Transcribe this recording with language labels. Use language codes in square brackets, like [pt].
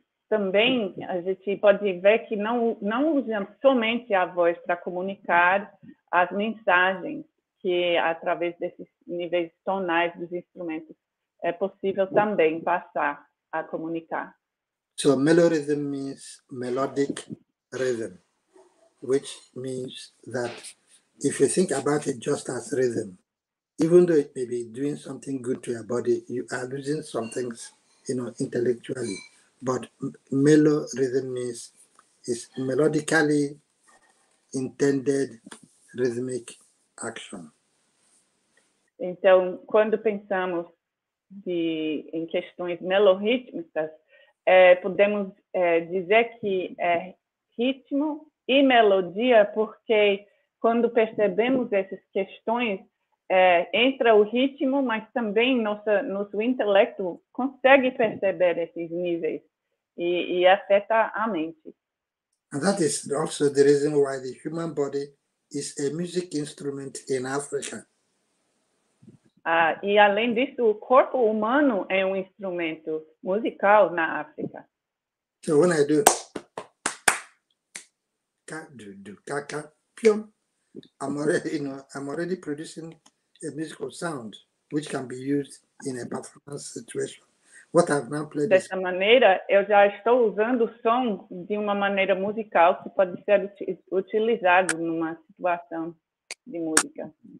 [pt] Também a gente pode ver que não usamos somente a voz para comunicar as mensagens, que através desses níveis tonais dos instrumentos é possível também passar a comunicar. [en] So melorhythm means melodic rhythm, which means that if you think about it just as rhythm, even though it may be doing something good to your body, you are losing some things, you know, intellectually. But mellow rhythm is melodically intended rhythmic action. [pt] Então, quando pensamos em questões melorrítmicas, podemos dizer que é ritmo e melodia, porque quando percebemos essas questões, entra o ritmo, mas também nosso intelecto consegue perceber esses níveis. E afeta a mente. [en] And that is also the reason why the human body is a music instrument in Africa. [pt] E além disso, o corpo humano é um instrumento musical na África. [en] So when I do ka do do ka ka pium, I'm already producing a musical sound which can be used in a performance situation. What I've now played [pt] dessa maneira, eu já estou usando o som de uma maneira musical que pode ser utilizado numa situação de música.